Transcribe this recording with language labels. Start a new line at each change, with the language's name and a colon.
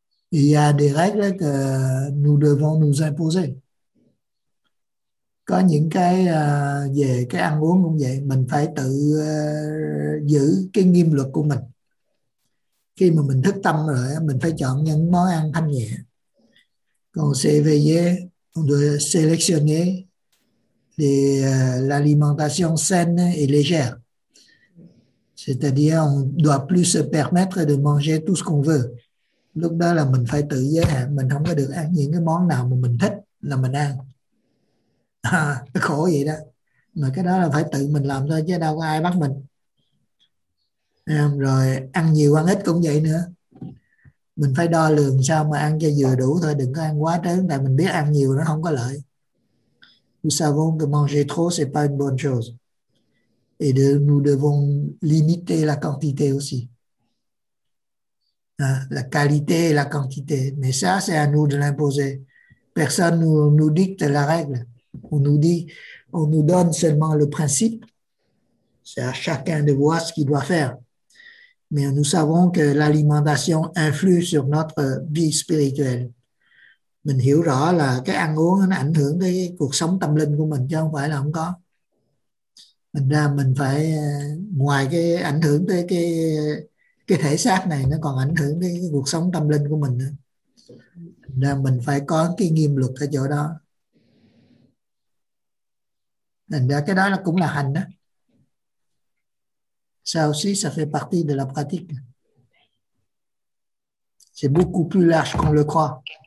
French: Il y a des règles que nous devons nous imposer.
Vietnamese: Có những cái về cái ăn uống cũng vậy, mình phải tự giữ cái nghiêm luật của mình. Khi mà mình thức tâm rồi, mình phải chọn những món ăn thanh nhẹ.
French: Quand on s'est éveillé, on doit sélectionner l'alimentation saine et légère. C'est-à-dire, on ne doit plus se permettre de manger tout ce qu'on veut.
Vietnamese: Lúc đó là mình phải tự giới hạn, mình không có được ăn những cái món nào mà mình thích là mình ăn. À, khổ vậy đó. Mà cái đó là phải tự mình làm thôi, chứ đâu có ai bắt mình. À, rồi ăn nhiều ăn ít cũng vậy nữa. Mình phải đo lường sao mà ăn cho vừa đủ thôi, đừng có ăn quá trớn, tại mình biết ăn nhiều nó không có lợi.
French: Nous savons que manger trop, c'est pas une bonne chose. Et nous devons limiter la quantité aussi. À, la qualité et la quantité. Mais ça, c'est à nous de l'imposer. Personne ne nous dicte la règle. On nous dit, on nous donne seulement le principe, c'est à chacun de voir ce qu'il doit faire. Mais nous savons que l'alimentation influe sur notre vie spirituelle.
Vietnamese: Mình hiểu rõ là cái ăn uống nó ảnh hưởng tới cuộc sống tâm linh của mình, chứ không phải là không có. Mình ra mình phải, ngoài cái ảnh hưởng tới cái thể xác này, nó còn ảnh hưởng tới cuộc sống tâm linh của mình nữa. Mình ra mình phải có cái nghiêm luật ở chỗ đó. Thành ra cái đó là cũng là hành đó.
French: Ça aussi, ça fait partie de la pratique. C'est beaucoup plus large qu'on le croit.